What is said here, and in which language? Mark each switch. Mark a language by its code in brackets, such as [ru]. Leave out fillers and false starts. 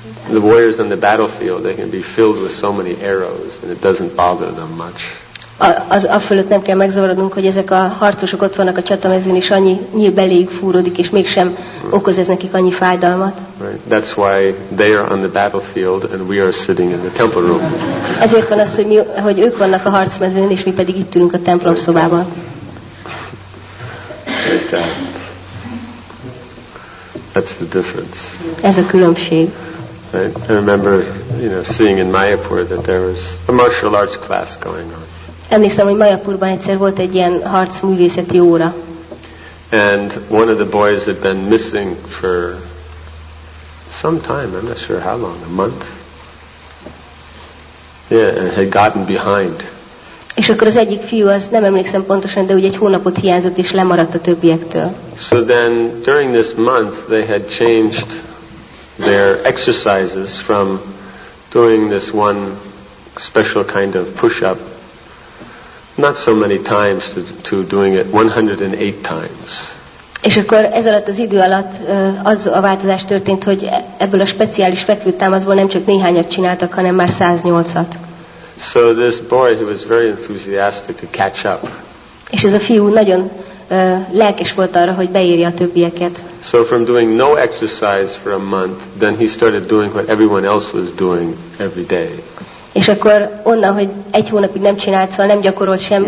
[en] The warriors on the battlefield, they can be filled with so many arrows and it doesn't bother them much. [hu] A fölött nem kell megzavarodnunk, hogy ezek a harcosok ott vannak a csatamezőn és annyi nyíl beléjük fúródik és mégsem okoz ez nekik annyi fájdalmat. [en] Right. That's why they are on the battlefield and we are sitting in the temple room. [hu] Ezért van az, hogy ők vannak a harcmezőn és mi pedig itt ülünk a templom szobában. [en] That's the difference. [hu] Ez a különbség. [en] Right. I remember, you know, seeing in Mayapur that there was a martial arts class going on. [hu] Emlékszem, hogy Mayapurban egyszer volt egy ilyen harcművészeti óra. [en] And one of the boys had been missing for some time, I'm not sure how long, a month. Yeah, and had gotten behind. [hu] És akkor az egyik fiú, az nem emlékszem pontosan, de úgy egy hónapot hiányzott és lemaradt a többiektől. [en] So then during this month they had changed their exercises from doing this one special kind of push-up not so many times to doing it 108 times. [hu] És akkor ez alatt az idő alatt az a változás történt, hogy ebből a speciális fekvőtámaszból nem csak néhányat csináltak, hanem már 108-at. [en] So this boy, he was very enthusiastic to catch up. [hu] És ez a fiú nagyon lelkes volt arra, hogy beírja a többieket. [en] So from doing no exercise for a month, then he started doing what everyone else was doing every day. [hu] És akkor onnan, hogy egy hónapig nem csinált, szóval nem gyakorolt semmit.